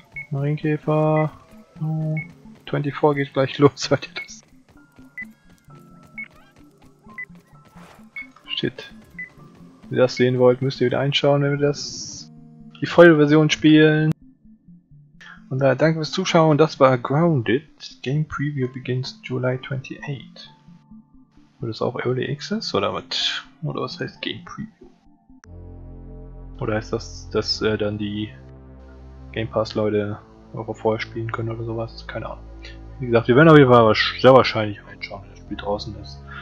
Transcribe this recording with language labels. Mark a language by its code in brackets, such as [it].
[de] Marienkäfer. Oh, 24 geht gleich los, hört ihr das? Shit. Wenn ihr das sehen wollt, müsst ihr wieder einschauen, wenn wir das die volle Version spielen. Und danke fürs Zuschauen, das war Grounded. [en] Game Preview begins July 28. [de] Wird das auch Early Access oder was? Oder was heißt Game Preview? Oder heißt das, dass dann die Game Pass Leute auch vorher spielen können oder sowas? Keine Ahnung. Wie gesagt, wir werden auf jeden Fall sehr wahrscheinlich reinschauen, wenn das Spiel draußen ist.